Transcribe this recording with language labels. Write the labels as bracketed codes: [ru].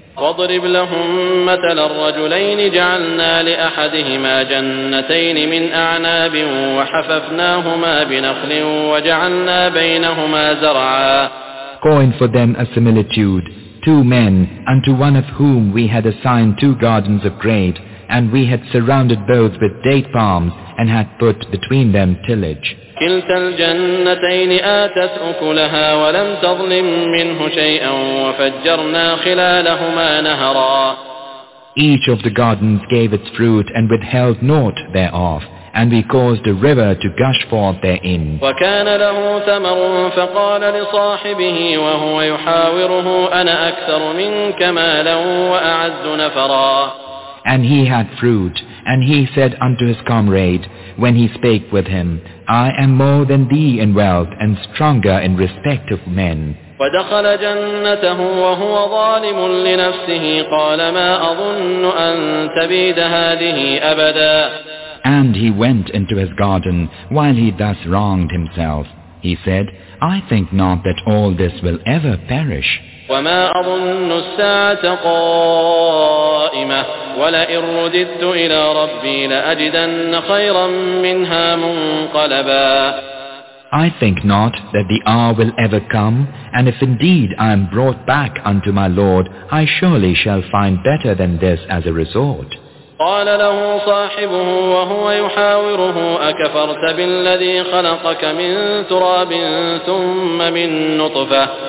[ar] وَاضْرِبْ لَهُمْ مَثَلَ الرَّجُلَيْنِ جَعَلْنَا لِأَحَدِهِمَا جَنَّتَيْنِ مِنْ أَعْنَابٍ وَحَفَفْنَاهُمَا بِنَخْلٍ وَجَعَلْنَا بَيْنَهُمَا زَرْعًا. [en] Coin for them a similitude, two men, unto one of whom we had assigned two gardens of grape, and we had surrounded both with date palms, and had put between them tillage. [ar] كلتا الجنتين آتت أكلها ولم تظلم منه شيئا وفجرنا خلالهما نهرا. [en] Each of the gardens gave its fruit and withheld naught thereof, and we caused a river to gush forth therein. [ar] وكان له ثمر فقال لصاحبه وهو يحاوره أنا أكثر منك مالا وأعز نفرا. [en] And he had fruit, and he said unto his comrade, when he spake with him, I am more than thee in wealth, and stronger in respect of men. [ar] ودخل جنته وهو ظالم لنفسه قال ما أظن أن تبيد هذه أبدا. [en] And he went into his garden, while he thus wronged himself. He said, I think not that all this will ever perish. [ar] وما أظن الساعة قائمة ولئن رددت إلى ربي لأجدن خيرا منها منقلبا. [en] I think not that the hour will ever come, and if indeed I am brought back unto my Lord, I surely shall find better than this as a resort. [ar] قال له صاحبه وهو يحاوره أكفرت بالذي خلقك من تراب ثم من نطفة